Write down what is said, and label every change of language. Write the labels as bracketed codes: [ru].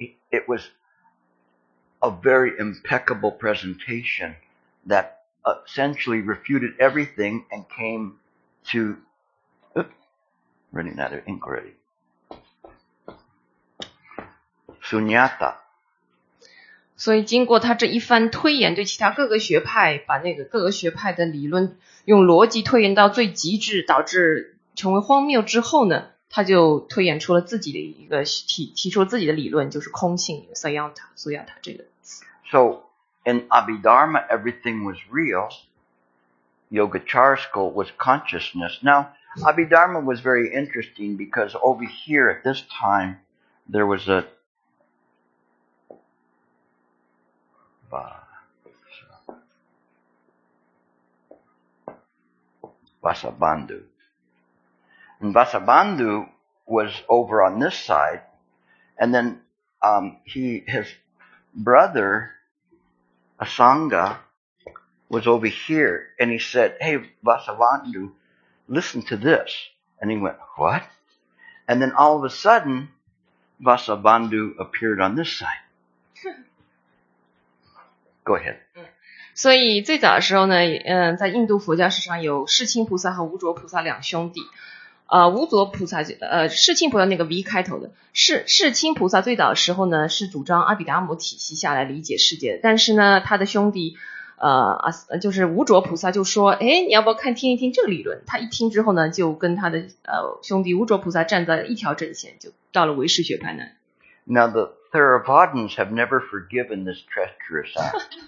[en] It was a very impeccable presentation. That essentially refuted everything and came to. Running out of ink already. Sunyata. [zh] 所以经过他这一番推演，对其他各个学派，把那个各个学派的理论用逻辑推演到最极致，导致成为荒谬之后呢，他就推演出了自己的一个提出自己的理论，就是空性 Sunyata, Sunyata 这个词。 [en] So. In Abhidharma, everything was real. Yogacara school was consciousness. Now, Abhidharma was very interesting because over here at this time, there was a... Vasubandhu. And Vasubandhu was over on this side. And then his brother... Asanga was over here, and he said, hey, Vasubandhu, listen to this. And he went, what? And then all of a sudden, Vasubandhu appeared on this side. Go ahead. [zh] 所以最早的时候呢，在印度佛教史上有世亲菩萨和无着菩萨两兄弟。无着菩萨，世亲菩萨那个 V 开头的世亲菩萨，最早的时候呢是主张阿毗达摩体系下来理解世界的，但是呢他的兄弟就是无着菩萨就说，哎，你要不要看听一听这个理论？他一听之后呢，就跟他的兄弟无着菩萨站在一条阵线，就到了唯识学派呢。 [en] Now the Theravadins have never forgiven this treacherous act.